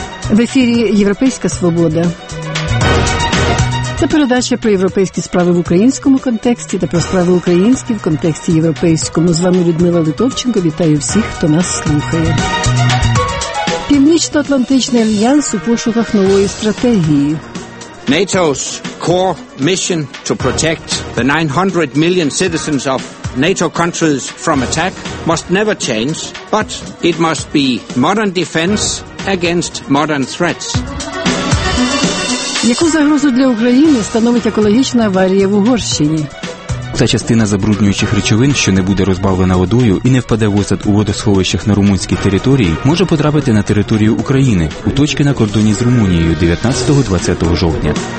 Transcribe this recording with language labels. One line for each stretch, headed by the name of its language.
Ukrainian: В ефірі «Європейська свобода». Це передача про європейські справи в українському контексті та про справи українські в контексті європейському. З вами Людмила Литовченко. Вітаю всіх, хто нас слухає. Північно-Атлантичний альянс у пошуках нової стратегії.
English: NATO's core mission to protect the 900 million citizens of NATO countries from attack must never change, but it must be modern defense against modern threats.
Ukrainian: Яку загрозу для України становить екологічна аварія в Угорщині? Та частина забруднюючих речовин, що не буде розбавлена водою і не впаде в осад у водосховищах на румунській території, може потрапити на територію України у точки на кордоні з Румунією 19-20 жовтня.